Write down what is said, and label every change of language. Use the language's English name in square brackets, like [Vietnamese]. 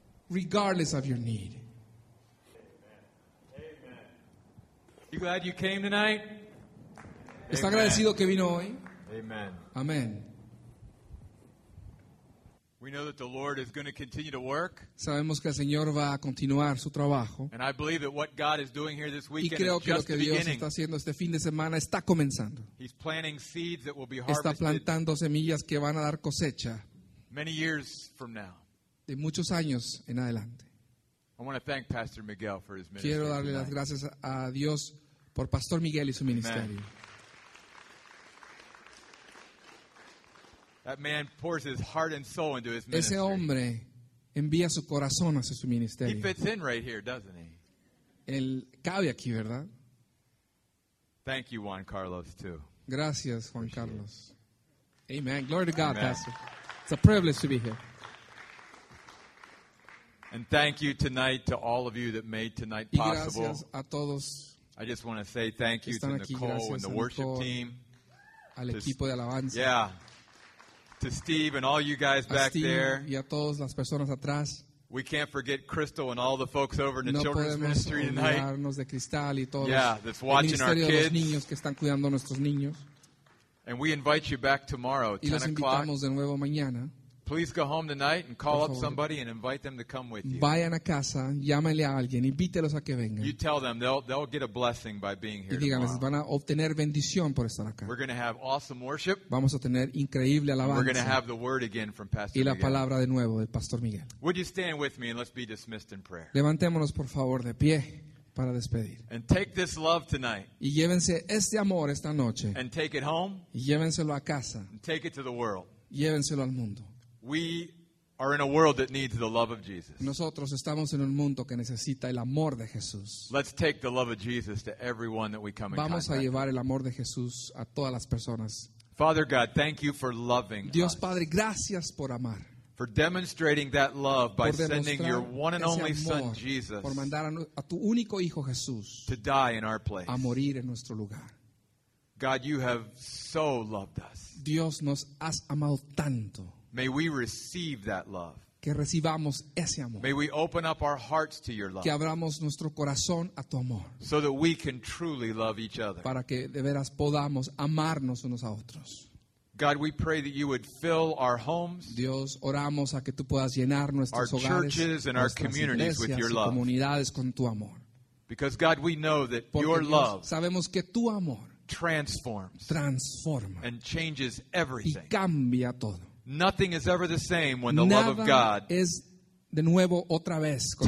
[English] Regardless of your need. Amen. You glad you came tonight? [Spanish] Amen. ¿Está agradecido que vino hoy? Amen. Amen. [English] We know that the Lord is going to continue to work. [Spanish] Sabemos que el Señor va a continuar su trabajo. [English] And I believe that what God is doing here this weekend is just the beginning. [Spanish] Y creo que lo que Dios está haciendo este fin de semana está comenzando. [English] He's planting seeds that will be harvested. [Spanish] Está plantando semillas que van a dar cosecha. [English] Many years from now. [Spanish] De muchos años en adelante. [English] I want to thank Pastor Miguel for his ministry. [Spanish] Quiero darle las gracias a Dios por Pastor Miguel y su ministerio. [English] Amen. That man pours his heart and soul into his ministry. [Spanish] Ese hombre envía su corazón hacia su ministerio. [English] He fits in right here, doesn't he? [Spanish] Él cabe aquí, ¿verdad? [English] Thank you, Juan Carlos, too. [Spanish] Gracias, [English] Juan Appreciate Carlos. It. Amen. Glory to God, Amen. Pastor. It's a privilege to be here. And thank you tonight to all of you that made tonight possible. [Spanish] Y gracias a todos [English] I just want to say thank you to Nicole and the worship team. [Spanish] Al equipo de alabanza. [English] Yeah. To Steve and all you guys back there. [Spanish] Y a todas las personas atrás. [English] We can't forget Crystal and all the folks over in the children's ministry tonight. [Spanish] De Cristal y todos [English] that's watching our kids. [Spanish] De los niños que están cuidando a nuestros niños. [English] And we invite you back tomorrow at 10 o'clock. [Spanish] Y los invitamos de nuevo mañana. [English] Please go home tonight and call up somebody and invite them to come with you. [Spanish] Vayan a casa, llámale a alguien, invítelos a que vengan. [English] You tell them they'll get a blessing by being here. [Spanish] Y díganles, van a obtener bendición por estar acá. [English] We're going to have awesome worship. [Spanish] Vamos a tener increíble alabanza. [English] We're going to have the word again from Pastor Miguel. [Spanish] Y la palabra de nuevo del Pastor Miguel. [English] Would you stand with me and let's be dismissed in prayer. [Spanish] Levantémonos por favor de pie para despedir. [English] And take this love tonight. [Spanish] Y llévense este amor esta noche. [English] And take it home. [Spanish] Y llévenselo a casa. [English] And take it to the world. [Spanish] Llévenselo al mundo. [English] We are in a world that needs the love of Jesus. [Spanish] Nosotros estamos en un mundo que necesita el amor de Jesús. [English] Let's take the love of Jesus to everyone that we come in contact with. [Spanish] Vamos a llevar el amor de Jesús a todas las personas. [English] Father God, thank you for loving us. [Spanish] Dios Padre, gracias por amar. [English] For demonstrating that love by sending your one and only Son Jesus. [Spanish] Por mandar a tu único hijo Jesús. [English] To die in our place. [Spanish] A morir en nuestro lugar. [English] God, you have so loved us. [Spanish] Dios nos has amado tanto. [English] May we receive that love. [Spanish] Que recibamos ese amor. [English] May we open up our hearts to your love. [Spanish] Que abramos nuestro corazón a tu amor. [English] So that we can truly love each other. [Spanish] Para que de veras podamos amarnos unos a otros. [English] God, we pray that you would fill our homes. [Spanish] Dios, oramos a que tú puedas llenar nuestros [English] hogares, our churches and our communities with your love. [Spanish] Comunidades con tu amor. [English] Because God, we know that [Spanish] Porque [English] your [Spanish] Dios, [English] love [Spanish] sabemos que tu amor [English] transforms and changes everything. [Spanish] Y cambia todo. [English] Nothing is ever the same when the [Spanish] Nada [English] love of God [Spanish] es de nuevo otra vez con